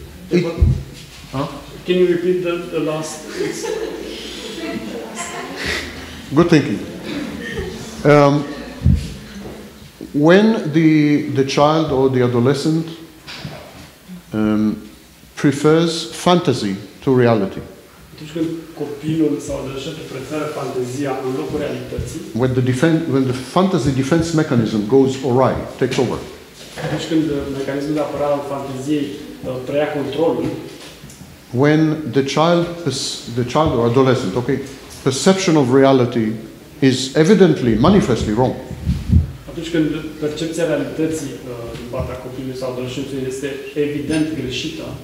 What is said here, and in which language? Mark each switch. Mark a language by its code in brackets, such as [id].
[en] Can you repeat the last? Good thinking. When the child or the adolescent prefers fantasy to reality. [ro] Atunci când copilul sau adolescentul preferă fantezia în locul realității. [en] When the fantasy defense mechanism goes awry, takes over. [ro] Atunci când mecanismul de apărare al fanteziei preia controlul. [en] When the child or adolescent, okay, perception of reality is evidently, manifestly wrong. [ro] Atunci când percepția realității din partea copilului sau adolescentului este evident greșită.